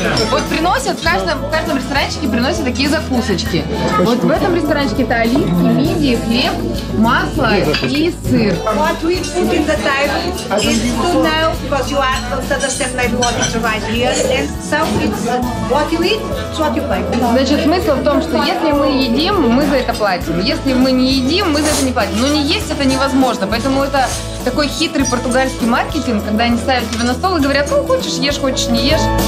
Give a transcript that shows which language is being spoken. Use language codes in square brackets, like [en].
[ru] Вот приносят в каждом ресторанчике приносят такие закусочки. Вот в этом ресторанчике это оливки, мидии, хлеб, масло и сыр. [en] What we put in the table is to know, because you are understand maybe what it's right here. And so it's what you eat, it's what you pay. [ru] Значит, смысл в том, что если мы едим, мы за это платим. Если мы не едим, мы за это не платим. Но не есть это невозможно. Поэтому это такой хитрый португальский маркетинг, когда они ставят тебя на стол и говорят, ну, хочешь ешь, хочешь не ешь.